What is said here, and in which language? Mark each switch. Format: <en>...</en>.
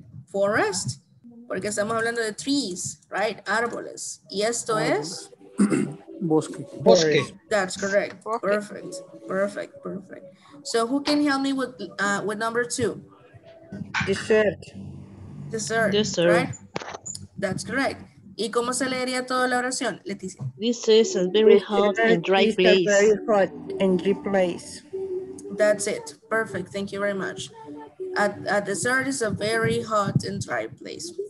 <es>Forest? Porque estamos hablando de trees, right? Árboles. ¿Y esto es? Bosque. Bosque.</es> <en>That's correct. Perfect. Perfect. Perfect. So who can help me with number two? Dessert. Dessert, right? That's correct.</en> <es>¿Y cómo se leería toda la oración, Leticia?</es> <en>This is a very hot and dry place. This is a very hot and dry place. That's it. Perfect. Thank you very much. A dessert is a very hot and dry place.</en>